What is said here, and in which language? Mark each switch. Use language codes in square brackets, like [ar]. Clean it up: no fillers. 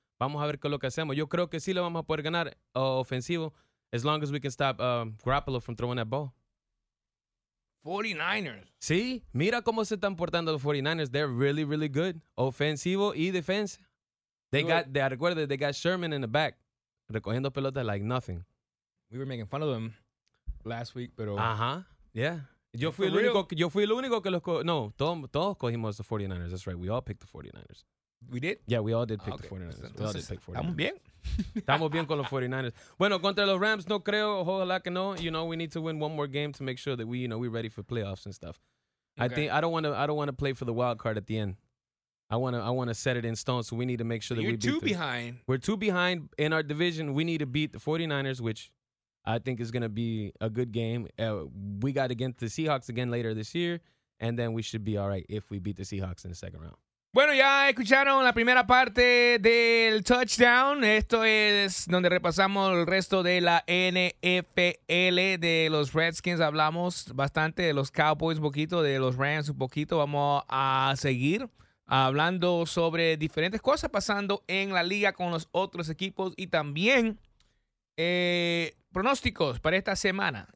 [es] Vamos a ver qué es lo que hacemos. Yo creo que sí lo vamos a poder ganar ofensivo [en] as long as we can stop Garoppolo from throwing that ball. [es] 49ers. Sí, mira cómo se están portando los 49ers. [en] They're really, really good. [es] Ofensivo y defensa. [en] They got Sherman in the back [es] recogiendo pelota [en] like nothing. We were making fun of them last week, pero... [es] Ajá, yeah. Yo fui el único que los... todos cogimos los 49ers. [en] That's right, we all picked the 49ers. We did? Yeah, we all did pick the 49ers. [es] Entonces, [en] we all did pick [es] 49ers. ¿Estamos bien? Estamos bien con los 49ers. Bueno, contra los Rams, no creo. Ojalá que no. [en] You know, we need to win one more game to make sure that we, you know, we're ready for playoffs and stuff. Okay. I don't want to play for the wild card at the end. I want to set it in stone, so we need to make sure We're two behind in our division. We need to beat the 49ers, which I think is going to be a good game. We got against the Seahawks again later this year, and then we should be all right if we beat the Seahawks in the second round. [es] Bueno, ya escucharon la primera parte del touchdown. Esto es donde repasamos el resto de la NFL de los Redskins. Hablamos bastante de los Cowboys un poquito, de los Rams un poquito. Vamos a seguir hablando sobre diferentes cosas pasando en la liga con los otros equipos y también pronósticos para esta semana.